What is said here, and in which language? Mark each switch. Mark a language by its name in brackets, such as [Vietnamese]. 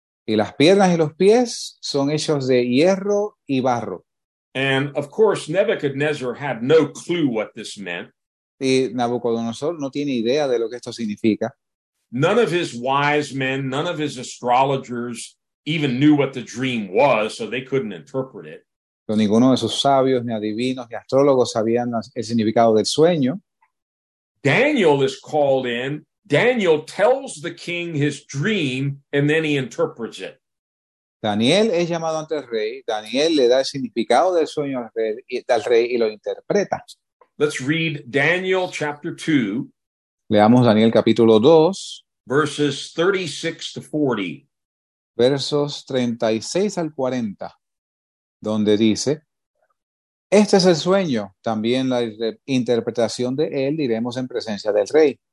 [Spanish] Y las piernas y los pies son hechos de hierro y barro. [English] And of course, Nebuchadnezzar had no clue what this meant. [Spanish] Y Nabucodonosor no tiene idea de lo que esto significa. [English] None of his wise men, none of his astrologers even knew what the dream was, so they couldn't interpret it. [Spanish] Pero ninguno de sus sabios, ni adivinos, ni astrólogos sabían el significado del sueño. [English] Daniel is called in. Daniel tells the king his dream, and then he interprets it. [Spanish] Daniel es llamado ante el rey. Daniel le da el significado del sueño al rey y lo interpreta. [English] Let's read Daniel chapter 2. [Spanish] Leamos Daniel capítulo 2. [English] Verses 36 to 40. [Spanish] Versos 36 al 40, donde dice, este es el sueño, también la interpretación de él diremos en presencia del rey.